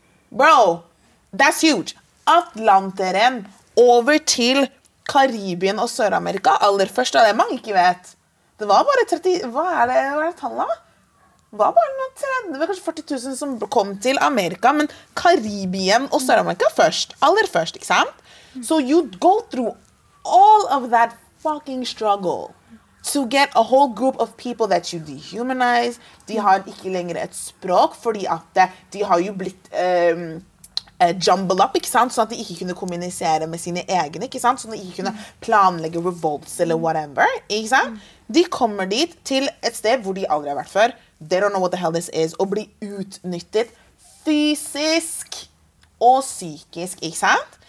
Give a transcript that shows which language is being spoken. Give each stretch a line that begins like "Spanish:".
English: Bro, that's huge.
Norwegian: Atlanteren over til Karibien og Sør-Amerika, aller først, det er mange ikke vet. Det var bare 30, hva er det tallet? Det var bare noen 30, kanskje 40 000 som kom til Amerika, men Karibien og Sør-Amerika først, aller først, ikke sant?
English: So you go through all of that fucking struggle to get a whole group of people that you dehumanize.
Norwegian: De har ikke lenger et språk, fordi at de har jo blitt
English: jumbled up,
Norwegian: ikke sant? Sånn at de ikke kunne kommunisere med sine egne, ikke sant? Sånn at de ikke kunne planlegge revolts eller whatever, ikke sant? De kommer dit til et sted hvor de aldri har vært før. They don't know what the hell this is. Og blir utnyttet fysisk og psykisk, ikke sant?